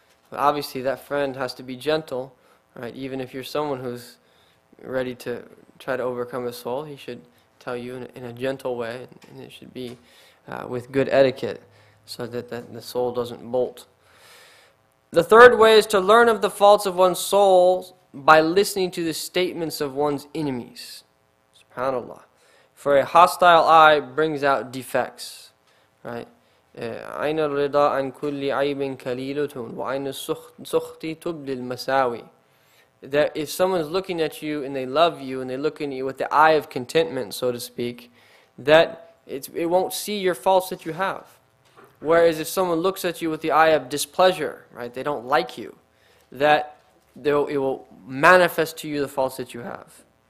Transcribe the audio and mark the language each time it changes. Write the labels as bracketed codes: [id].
[en] But obviously, that friend has to be gentle, right? Even if you're someone who's ready to try to overcome his soul, he should tell you in a gentle way, and it should be with good etiquette so that the soul doesn't bolt. The third way is to learn of the faults of one's soul by listening to the statements of one's enemies. SubhanAllah. For a hostile eye brings out defects, right? [ar] عين الرضا عن كل عيب كليلة وعين السخط تبدي المساوي. [en] That if someone's looking at you and they love you and they're looking at you with the eye of contentment, so to speak, that it won't see your faults that you have. Whereas if someone looks at you with the eye of displeasure, right? They don't like you. That it will manifest to you the faults that you have.